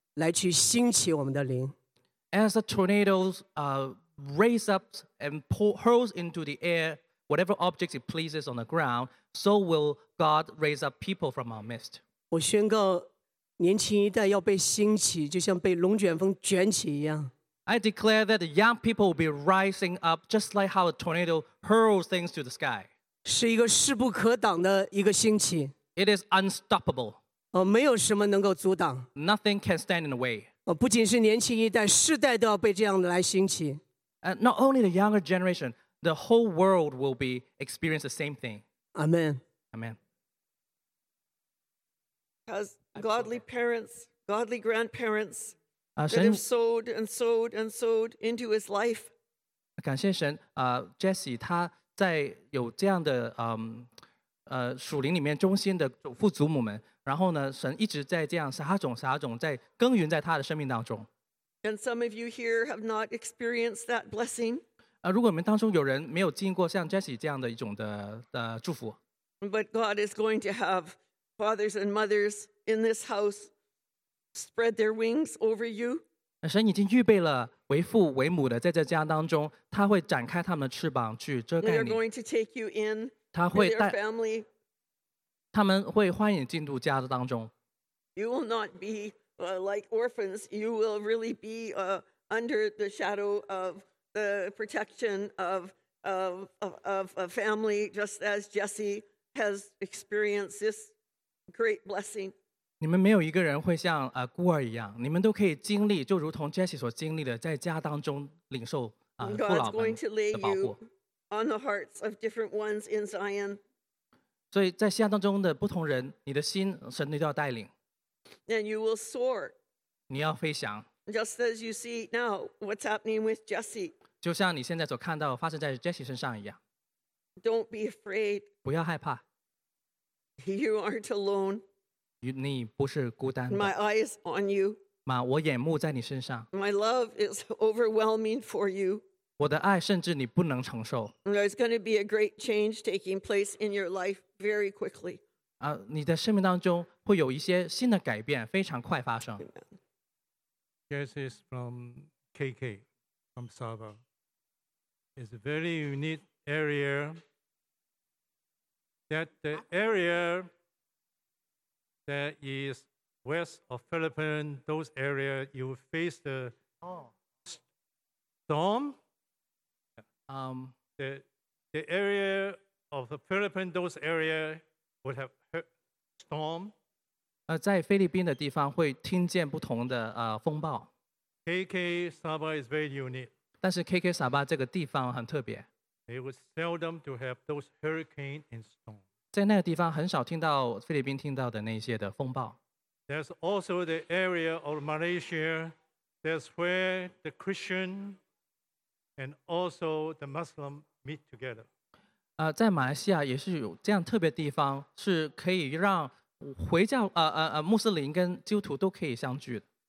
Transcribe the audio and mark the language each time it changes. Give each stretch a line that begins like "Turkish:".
Chinese: 龙卷风怎么卷起地上的物体，神的灵也要来去兴起我们的灵。
English: As the tornadoes raise up and hurls into the air whatever objects it pleases on the ground, so will God raise up people from our midst.
Chinese: 我宣告年轻一代要被兴起，就像被龙卷风卷起一样。
English: I declare that the young people will be rising up just like how a tornado hurls things to the sky.
Chinese: 是一个势不可挡的一个兴起。
English: It is unstoppable.
Chinese: 没有什么能够阻挡。
English: Nothing can stand in the way.
Chinese: 不仅是年轻一代，世代都要被这样来兴起。
English: And not only the younger generation, the whole world will be experiencing the same thing. Amen. Amen. Because godly parents, godly grandparents, that have sowed and sowed and sowed into his life.
Chinese: 感谢神, Jesse, 他在有这样的, 属灵里面中心的祖父祖母们, 然后呢, 神一直在这样, 撒种, 撒种, 在耕耘在他的生命当中。
English: And some of you here have not experienced that blessing.
Chinese: 如果你们当中有人没有经过像Jesse这样的一种的, 祝福,
English: but God is going to have fathers and mothers in this house spread their wings over you.
Chinese: 神已经预备了为父为母的在这家当中, 祂会展开祂们的翅膀去遮盖你。
English: They are going to take you in with their family.
Chinese: 祂们会欢迎进入家的当中。
English: You will not be like orphans. You will really be under the shadow of the protection of a family, just as Jesse has experienced this great blessing.
Chinese: 你们没有一个人会像 孤儿一样, 你们都可以经历, 就如同Jesse所经历的, 在家当中领受,
English: God's going to lay you on the hearts of different ones in Zion.
Chinese: 所以在西安当中的不同人, 你的心, 神都要带领。
English: And you will soar.
Chinese: 你要飞翔。
English: Just as you see now what's happening with Jesse.
Chinese: 就像你现在所看到, 发生在Jesse身上一样。
English: Don't be afraid.
Chinese: 不要害怕。
English: You aren't alone.
Chinese: 你不是孤单的,
English: my eyes on you.
Chinese: 妈, 我眼目在你身上,
English: my love is overwhelming for you.
Chinese: 我的爱甚至你不能承受,
English: there's going to be a great change taking place in your life very quickly.
Chinese: 啊, 你的生命当中会有一些新的改变, 非常快发生。
English: Jess is from KK, from Sava. It's a very unique area. That the area that is west of Philippines, those areas, you face the storm. The area of the Philippines, those areas would have storm.
Chinese: 在菲律宾的地方会听见不同的 风暴。
English: KK Sabah is very unique.
Chinese: 但是KK Sabah这个地方很特别。
English: It was seldom to have those hurricanes and storms.
Chinese: 在那个地方很少听到菲律宾听到的那些的风暴。
English: There's also the area of Malaysia. That's where the Christian and also the Muslim meet together.
Chinese: 在马来西亚也是有这样特别的地方, 是可以让回教, 穆斯林跟基督徒都可以相聚的。